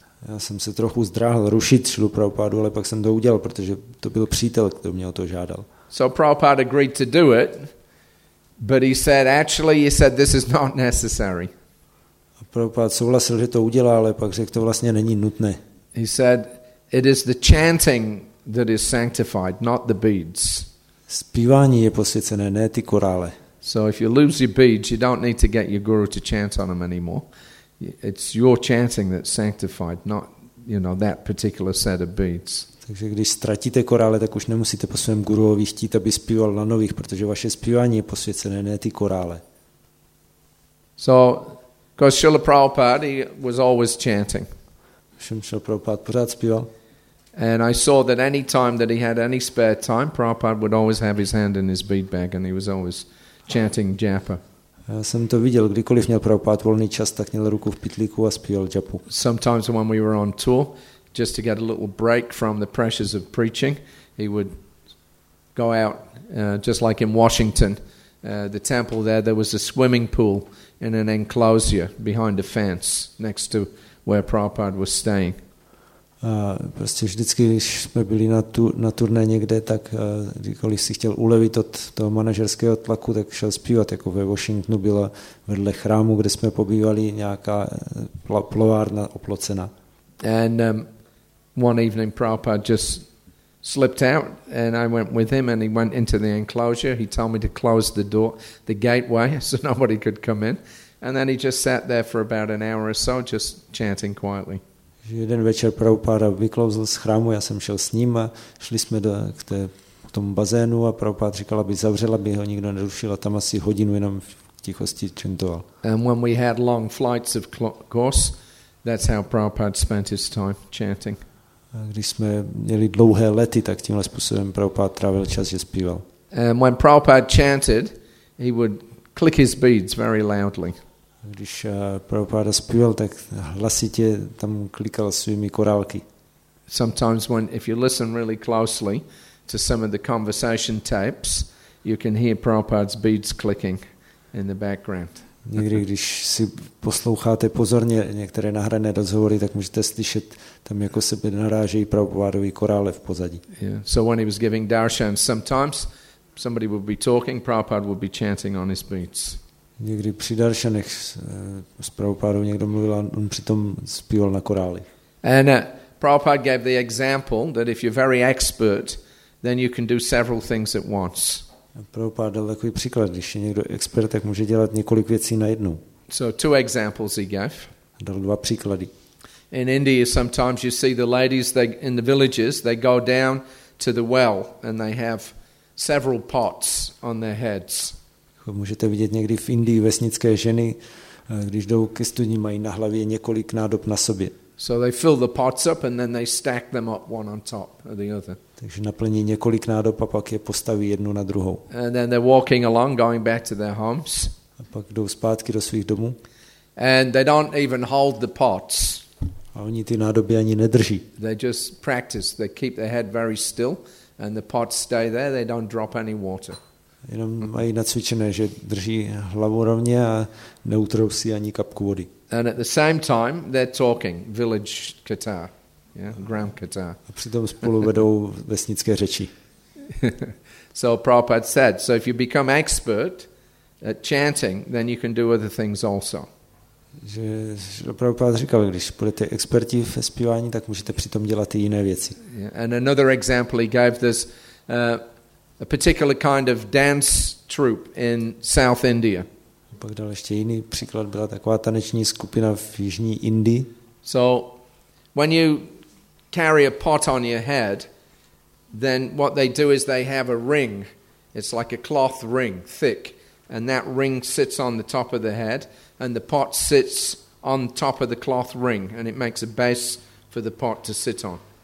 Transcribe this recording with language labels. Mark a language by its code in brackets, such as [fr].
[cs] Já jsem se trochu zdráhl rušit Srilu Prabhupádu, ale pak jsem to udělal, protože to byl přítel, kdo mě o to žádal. [en] So Prabhupada agreed to do it, but he said, actually, he said, this is not necessary. [cs] A Prabhupada souhlasil, že to udělá, ale pak řekl, to vlastně není nutné. [en] He said, it is the chanting that is sanctified, not the beads. [cs] Zpívání je posvěcené, ne ty korále. [en] So if you lose your beads, you don't need to get your guru to chant on them anymore. It's your chanting that's sanctified, not, you know, that particular set of beads. [cs] Takže když ztratíte korále, tak už nemusíte po svém guruovi chtít, aby zpíval na nových, protože vaše zpívání je posvěcené, ne ty korále. [en] So, because Srila Prabhupada, he was always chanting. [cs] Srila Prabhupada pořád zpíval. [en] And I saw that any time that he had any spare time, Prabhupada would always have his hand in his bead bag and he was always chanting japa. [cs] Já jsem to viděl, kdykoliv měl Prabhupada volný čas, tak měl ruku v pytlíku a zpíval japu. [en] Sometimes when we were on tour, just to get a little break from the pressures of preaching, he would go out, just like in Washington, the temple there, there was a swimming pool in an enclosure behind a fence next to where Prabhupada was staying. [cs] Prostě vždycky, když jsme byli na turné někde, tak kdykoliv si chtěl ulevit od toho manažerského tlaku, tak šel zpívat, jako ve Washingtonu byla vedle chrámu, kde jsme pobývali, nějaká plovárna oplocena. [en] And one evening Prabhupada just slipped out and I went with him and he went into the enclosure. He told me to close the door, the gateway, so nobody could come in. And then he just sat there for about an hour or so, just chanting quietly. [cs] Jeden večer Prabhupada vyklouzl z chrámu, já jsem šel s ním a šli jsme k tomu bazénu a Prabhupada říkal, aby zavřel, aby ho nikdo nerušil a tam asi hodinu jenom v tichosti čentoval. [en] And when we had long flights, of course, that's how Prabhupada spent his time chanting. [cs] A když jsme měli dlouhé lety, tak tímhle způsobem Prabhupada trávil čas, že zpíval. [en] And when Prabhupada chanted, he would click his beads very loudly. [cs] Když Prabhupada zpíval, tak hlasitě tam klikal svými korálky. [en] Sometimes when if you listen really closely to some of the conversation tapes, you can hear Prabhupada's beads clicking in the background. [cs] Někdy, když si posloucháte pozorně některé nahrané rozhovory, tak můžete slyšet tam jako sebe narážejí Prabhupádovy korále v pozadí. [en] Yeah. So when he was giving darshan, sometimes somebody would be talking, Prabhupada would be chanting on his beads. [cs] Někdy při darshanech s Prabhupádou někdo mluvil a on přitom zpíval na korály. [en] And Prabhupada gave the example that if you're very expert, then you can do several things at once. [cs] Prabhupada dal takový příklad, když je někdo expert, tak může dělat několik věcí najednou. [en] So two examples he gave. [cs] Dal dva příklady. [en] In India sometimes you see the ladies they in the villages they go down to the well and they have several pots on their heads. [cs] Můžete vidět někdy v Indii vesnické ženy, když jdou ke studni, mají na hlavě několik nádob na sobě. [en] So they fill the pots up and then they stack them up one on top of the other. [cs] Takže naplní několik nádob a pak je postaví jednu na druhou. [en] And then they're walking along going back to their homes. [cs] A pak jdou zpátky do svých domů. [en] And they don't even hold the pots. [cs] A oni ty nádoby ani nedrží. [en] They just practice, they keep their head very still and the pots stay there, they don't drop any water. [cs] Jenom mají nacvičené, že drží hlavu rovně a neutrousí ani kapku vody. [en] And at the same time they're talking village Qatar. Yeah, ground Qatar. [cs] A přitom spolu vedou vesnické řeči. [en] So Prabhupada said, so if you become expert at chanting, then you can do other things also. [cs] Že Prabhupada říkal, když budete experti ve zpívání, tak můžete přitom dělat i jiné věci. [en] Yeah. And another example he gave this a particular kind of dance troupe in South India. [cs] A pak dal ještě jiný příklad, byla taková taneční skupina v jižní Indii. [en] So when you carry a pot on your head, then what they do is they have a ring. It's like a cloth ring, thick, and that ring sits on the top of the head, and the pot sits on top of the cloth ring, and it makes a base for the pot to sit on.